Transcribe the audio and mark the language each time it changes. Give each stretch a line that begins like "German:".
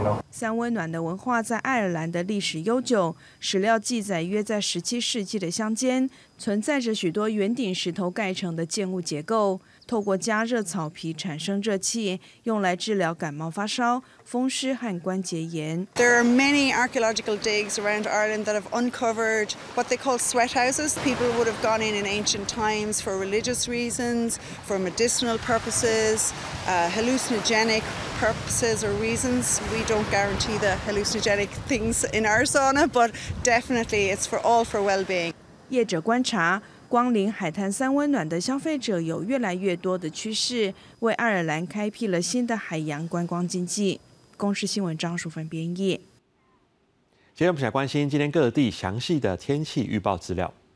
Chinese: 三温暖的文化在爱尔兰的历史悠久，史料记载约在17世纪的乡间存在着许多圆顶石头盖成的建物结构，透过加热草皮产生热气，用来治疗感冒发烧、风湿和关节炎。
English: There are many archaeological digs around Ireland that have uncovered what they call sweat houses. People would have gone in ancient times for religious reasons, for medicinal purposes, hallucinogenic purposes or reasons. We don't guarantee the hallucinogenic things in our sauna, but definitely it's for all for well-being.
Chinese: 业者观察。光临海滩三温暖的消费者有越来越多的趋势，为爱尔兰开辟了新的海洋观光经济。公视新闻张淑芬编译。接着我们来关心今天各地详细的天气预报资料。